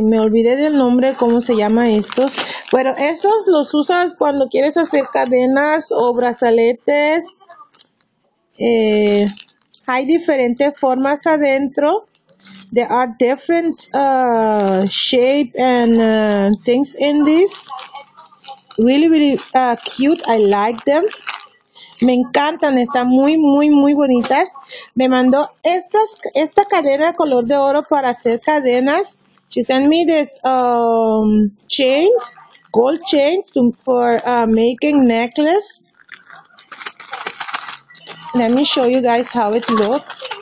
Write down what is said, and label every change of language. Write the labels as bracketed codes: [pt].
[es] Me olvidé del nombre, ¿cómo se llama estos? Bueno, estos los usas cuando quieres hacer cadenas o brazaletes. Hay diferentes formas adentro. [en] There are different shape and things in this. Really, really cute. I like them. [es] Me encantan. Están muy, muy, muy bonitas. Me mandó esta cadena color de oro para hacer cadenas. [en] She sent me this chain, gold chain for making necklace. Let me show you guys how it looks.